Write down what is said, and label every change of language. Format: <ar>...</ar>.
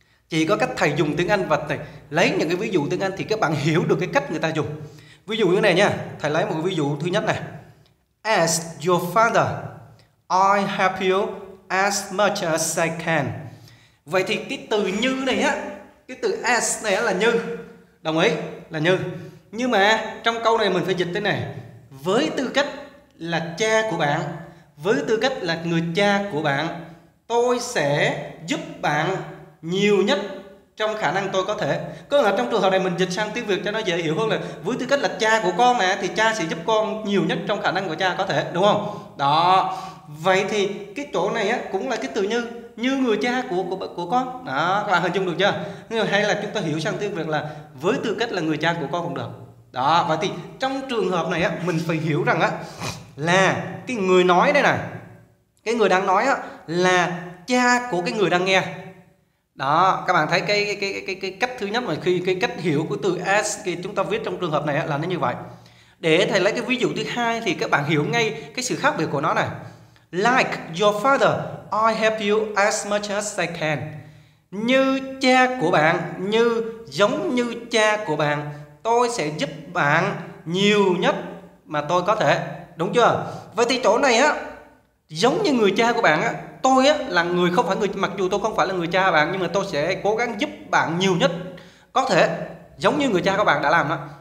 <vi>Chỉ có cách thầy dùng tiếng Anh và thầy lấy những cái ví dụ tiếng Anh thì các bạn hiểu được cái cách người ta dùng. Ví dụ như thế này nha, thầy lấy một cái ví dụ thứ nhất này.</vi> <en>As your father, I help you as much as I can.</en> <vi>Vậy thì cái từ như này á, cái từ as này là như, đồng ý là như. Nhưng mà trong câu này mình phải dịch thế này: với tư cách là cha của bạn, với tư cách là người cha của bạn, tôi sẽ giúp bạn nhiều nhất trong khả năng tôi có thể. Có nghĩa là trong trường hợp này mình dịch sang tiếng Việt cho nó dễ hiểu hơn là: với tư cách là cha của con mà, thì cha sẽ giúp con nhiều nhất trong khả năng của cha có thể, đúng không? Đó. Vậy thì cái chỗ này á, cũng là cái từ như, như người cha của con. Đó, các bạn hình dung được chưa? Nhưng hay là chúng ta hiểu sang tiếng Việt là với tư cách là người cha của con cũng được. Đó, vậy thì trong trường hợp này á, mình phải hiểu rằng á, là cái người nói đây này, cái người đang nói á, là cha của cái người đang nghe. Đó, các bạn thấy cái cách thứ nhất mà khi cái cách hiểu của từ as thì chúng ta viết trong trường hợp này là nó như vậy. Để thầy lấy cái ví dụ thứ hai thì các bạn hiểu ngay cái sự khác biệt của nó này.</vi> <en>Like your father, I help you as much as I can.</en> <vi>Như cha của bạn, như giống như cha của bạn, tôi sẽ giúp bạn nhiều nhất mà tôi có thể. Đúng chưa? Vậy thì chỗ này á, giống như người cha của bạn á, tôi á là người không phải người, mặc dù tôi không phải là người cha bạn, nhưng mà tôi sẽ cố gắng giúp bạn nhiều nhất có thể, giống như người cha của bạn đã làm đó.</vi>